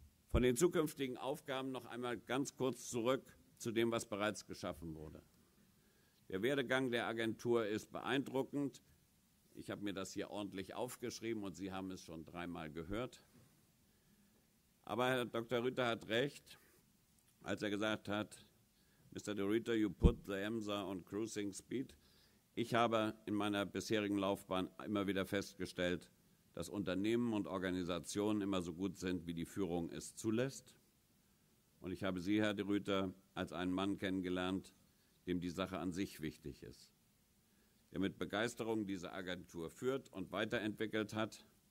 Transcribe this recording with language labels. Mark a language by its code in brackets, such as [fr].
[de] Von den zukünftigen Aufgaben noch einmal ganz kurz zurück zu dem, was bereits geschaffen wurde. Der Werdegang der Agentur ist beeindruckend. Ich habe mir das hier ordentlich aufgeschrieben und Sie haben es schon 3-mal gehört. Aber Herr Dr. Rüthe hat recht, als er gesagt hat, Mr. [en] De Rüthe, you put the EMSA on cruising speed. [de] Ich habe in meiner bisherigen Laufbahn immer wieder festgestellt, dass Unternehmen und Organisationen immer so gut sind, wie die Führung es zulässt. Und ich habe Sie, Herr De Rüthe, als einen Mann kennengelernt, dem die Sache an sich wichtig ist, der mit Begeisterung diese Agentur führt und weiterentwickelt hat.